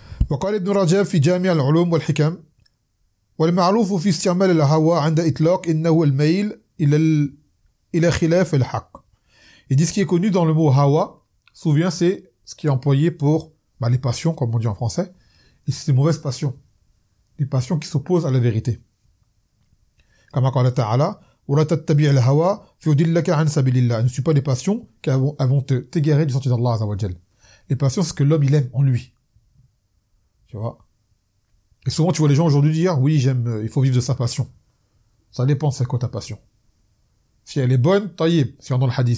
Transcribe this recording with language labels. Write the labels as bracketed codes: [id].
[ar] وقال ابن رجب في جامع العلوم والحكم والمعروف في استعمال الهوى عند إطلاق إنه الميل إلى خلاف الحق. [fr] Il dit ce qui est connu dans le mot hawa, souviens, c'est ce qui est employé pour les passions, comme on dit en français, et c'est des mauvaises passions, des passions qui s'opposent à la vérité. Comme Allah Ta'ala, [ar] وَلَا تَتَّبِعِ الْهَوَى فَيُضِلَّكَ عَنْ سَبِيلِ اللَّهِ. [fr] Ne suis pas les passions qui vont t'égarer du sentier d'Allah Azza wa Jal. Les passions, c'est ce que l'homme il aime en lui. Tu vois. Et souvent, tu vois les gens aujourd'hui dire, oui, j'aime, il faut vivre de sa passion. Ça dépend c'est quoi ta passion. Si elle est bonne, tayyib. Si on a le hadith.